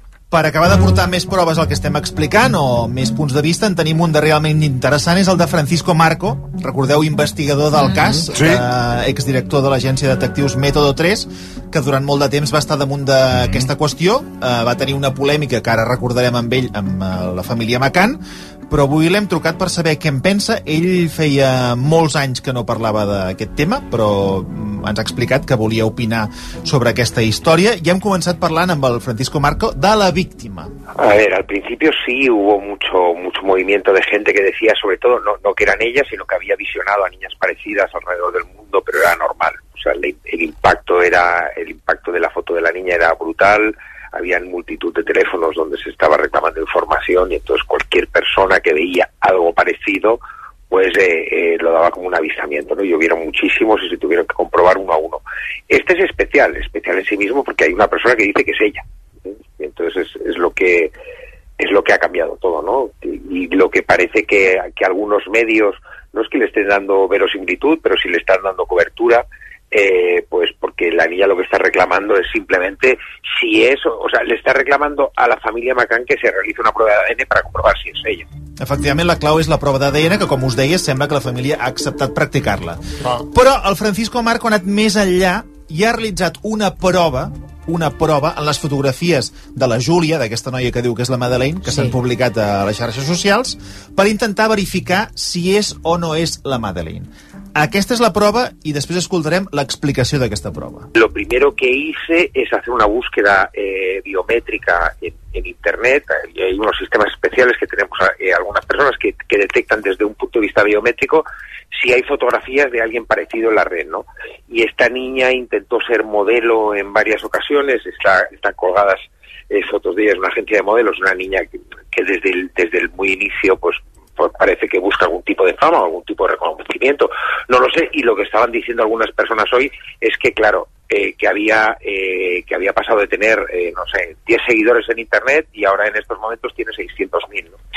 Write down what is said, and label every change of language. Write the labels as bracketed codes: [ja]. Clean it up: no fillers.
[ca] Per acabar de portar més proves al que estem explicant o més punts de vista, en tenim un de realment interessant, és el de Francisco Marco, recordeu, investigador del cas, exdirector de l'agència de detectius Método 3, que durant molt de temps va estar damunt d'aquesta qüestió, va tenir una polèmica que ara recordarem amb ell, amb la família McCann, però avui l'hem trucat per saber què en pensa. Ell feia molts anys que no parlava d'aquest tema, però ens ha explicat que volia opinar sobre aquesta història, i hem començat parlant amb el Francisco Marco de la víctima. [es] A ver, al principio sí hubo mucho movimiento de gente que decía, sobre todo, no que eran ellas, sino que había visionado a niñas parecidas alrededor del mundo, pero era normal. O sea, el impacto de la foto de la niña era brutal. Habían multitud de teléfonos donde se estaba reclamando información, y entonces cualquier persona que veía algo parecido pues lo daba como un avistamiento, ¿no? Y hubieron muchísimos y se tuvieron que comprobar uno a uno. Este es especial en sí mismo, porque hay una persona que dice que es ella, ¿sí? Y entonces es lo que ha cambiado todo, ¿no? Y lo que parece que algunos medios, no es que le estén dando verosimilitud, pero sí le están dando cobertura. Pues porque la niña lo que está reclamando es simplemente si es, o sea, le está reclamando a la familia McCann que se realice una prueba de ADN para comprobar si es ella. [ca] Efectivament, la clau és la prova d'ADN, que, com us deia, sembla que la família ha acceptat practicar-la. Però el Francisco Marco ha anat més enllà i ha realitzat una prova en les fotografies de la Júlia, d'aquesta noia que diu que és la Madeleine, que s'han publicat a les xarxes socials, per intentar verificar si és o no és la Madeleine. Aquesta és la prova i després escoltarem l'explicació d'aquesta prova. [es] Lo primero que hice es hacer una búsqueda biométrica en internet. Hay unos sistemas especiales que tenemos algunas personas que detectan desde un punto de vista biométrico si hay fotografías de alguien parecido en la red, ¿no? Y esta niña intentó ser modelo en varias ocasiones, están colgadas fotos de ella, es una agencia de modelos, una niña que desde el muy inicio pues parece que busca algún tipo de fama, algún tipo de reconocimiento, no lo sé, y lo que estaban diciendo algunas personas hoy es que, claro, que había pasado de tener, 10 seguidores en internet y ahora en estos momentos tiene 600.000, ¿no?